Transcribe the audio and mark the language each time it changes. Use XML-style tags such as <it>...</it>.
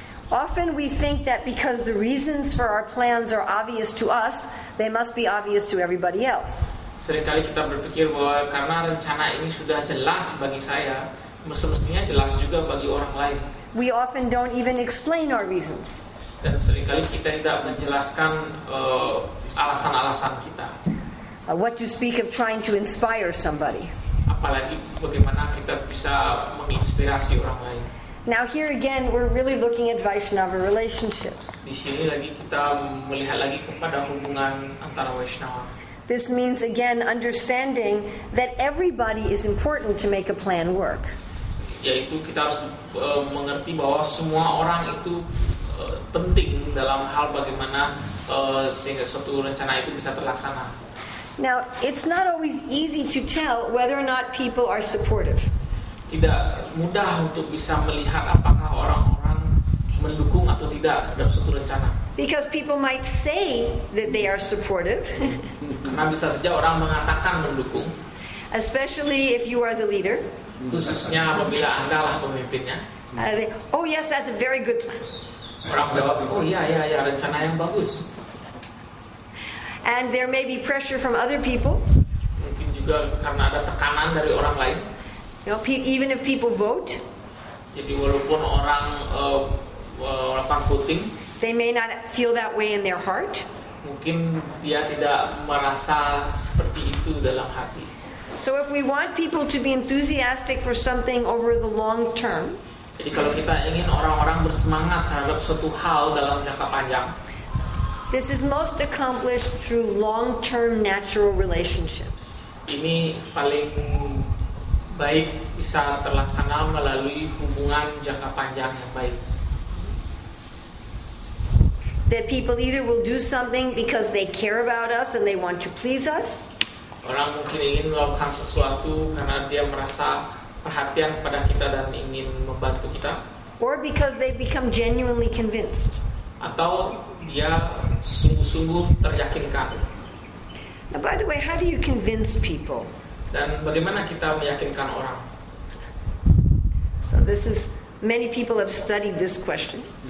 <en>Often we think that because the reasons for our plans are obvious to us, they must be obvious to everybody else.</en> <id>Seringkali kita berpikir bahwa karena rencana ini sudah jelas bagi saya, semestinya jelas juga bagi orang lain.</id> <en>We often don't even explain our reasons.</en> <id>Dan seringkali kita tidak menjelaskan alasan-alasan kita.</id> <en>What you speak of trying to inspire somebody.</en> <id>Apalagi bagaimana kita bisa menginspirasi orang lain.</id> <en>Now here again, we're really looking at Vaishnava relationships.</en> <id>Di sini lagi kita melihat lagi kepada hubungan antara Vaishnava.</id> <en>This means again understanding that everybody is important to make a plan work.</en> <id>Yaitu kita harus mengerti bahwa semua orang itu penting dalam hal bagaimana sehingga suatu rencana itu bisa terlaksana.</id> <en>Now, it's not always easy to tell whether or not people are supportive.</en> <id>Tidak mudah untuk bisa melihat apakah orang-orang mendukung atau tidak terhadap suatu rencana.</id> <en>Because people might say that they are supportive.</en> <id>Karena bisa saja orang mengatakan mendukung.</id> <en>Especially if you are the leader.</en> <id>Khususnya apabila Anda lah pemimpinnya.</id> <en>Oh yes, that's a very good plan.</en> <id>Orang jawab, oh iya, rencana yang bagus.</id> <en>And there may be pressure from other people.</en> <id>Mungkin juga karena ada tekanan dari orang lain.</id> <en>You know, even if people vote.</en> <id>Jadi walaupun orang orang voting.</id> <en>They may not feel that way in their heart.</en> <id>Mungkin dia tidak merasa seperti itu dalam hati.</id> <en>So if we want people to be enthusiastic for something over the long term.</en> <id>Jadi kalau kita ingin orang-orang bersemangat terhadap suatu hal dalam jangka panjang.</id> <en>This is most accomplished through long-term natural relationships.</en> <id>Ini paling baik bisa terlaksana melalui hubungan jangka panjang yang baik.</id> <en>That people either will do something because they care about us and they want to please us.</en> <id>Orang mungkin ingin melakukan sesuatu karena dia merasa perhatian kepada kita dan ingin membantu kita.</id> <en>Or because they become genuinely convinced.</en> <id>Atau dia sungguh-sungguh teryakinkan.</id> <en>Now, by the way, how do you convince people?</en> <id>Dan bagaimana kita meyakinkan orang?</id> <en>So this is, many people have studied this question.</en>